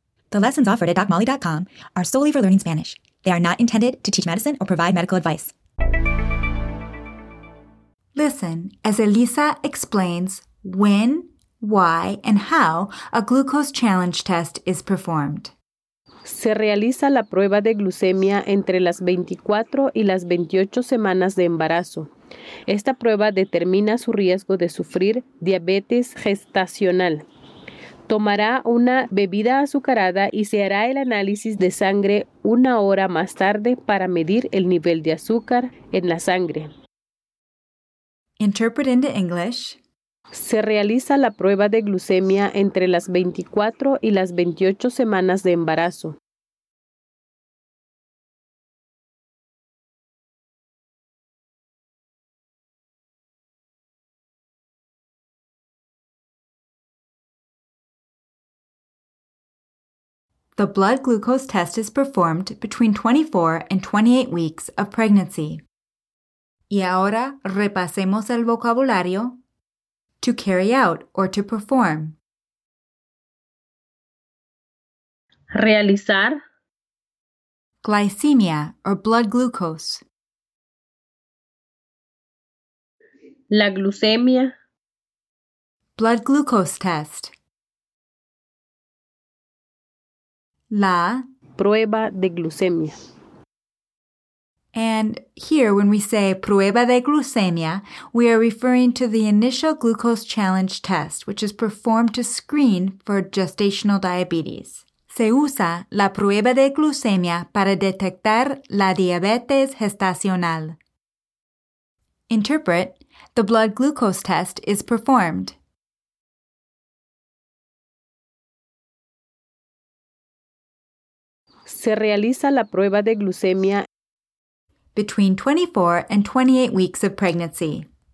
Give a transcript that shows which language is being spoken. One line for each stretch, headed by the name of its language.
English: The lessons offered at DocMolly.com are solely for learning Spanish. They are not intended to teach medicine or provide medical advice. Listen as Elisa explains when, why, and how a glucose challenge test is performed.
Spanish: Se realiza la prueba de glucemia entre las 24 y las 28 semanas de embarazo. Esta prueba determina su riesgo de sufrir diabetes gestacional. Tomará una bebida azucarada y se hará el análisis de sangre una hora más tarde para medir el nivel de azúcar en la sangre.
English: Interpret into English.
Spanish: Se realiza la prueba de glucemia entre las 24 y las 28 semanas de embarazo.
English: The blood glucose test is performed between 24 and 28 weeks of pregnancy.
Spanish: Y ahora repasemos el vocabulario.
English: To carry out or to perform.
Spanish: Realizar.
English: Glycemia or blood glucose.
Spanish: La glucemia.
English: Blood glucose test.
Spanish: La prueba de glucemia.
English: And here, when we say
Spanish: prueba de glucemia,
English: we are referring to the initial glucose challenge test, which is performed to screen for gestational diabetes.
Spanish: Se usa la prueba de glucemia para detectar la diabetes gestacional.
English: Interpret, the blood glucose test is performed.
Spanish: Se realiza la prueba de glucemia
English: between 24 and 28 weeks of pregnancy.